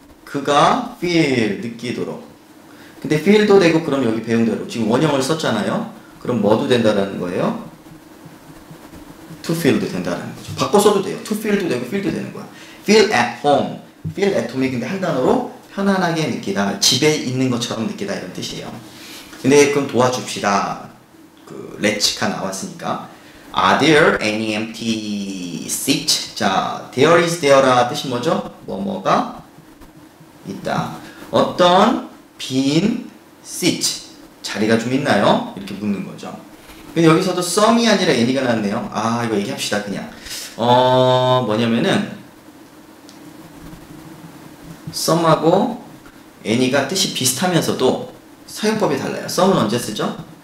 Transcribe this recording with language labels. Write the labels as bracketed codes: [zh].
[ko] 그가 feel 느끼도록. 근데 feel도 되고 그럼 여기 배운대로 지금 원형을 썼잖아요. 그럼 뭐도 된다라는 거예요? to feel도 된다라는 거죠. 바꿔 써도 돼요. to feel도 되고 feel도 되는 거야. [en] feel at home. [ko] feel at home이 근데 한 단어로 편안하게 느끼다. 집에 있는 것처럼 느끼다. 이런 뜻이에요. 근데 그럼 도와줍시다. 그 let's가 나왔으니까 [en] are there any empty seats? [ko] 자, there is there라 뜻이 뭐죠? 뭐뭐가 있다. 어떤 빈 seat 자리가 좀 있나요? 이렇게 묻는 거죠. 근데 여기서도 some이 아니라 any가 나왔네요. 아, 이거 얘기합시다. 그냥 뭐냐면은 some하고 any가 뜻이 비슷하면서도 사용법이 달라요. some은 언제 쓰죠?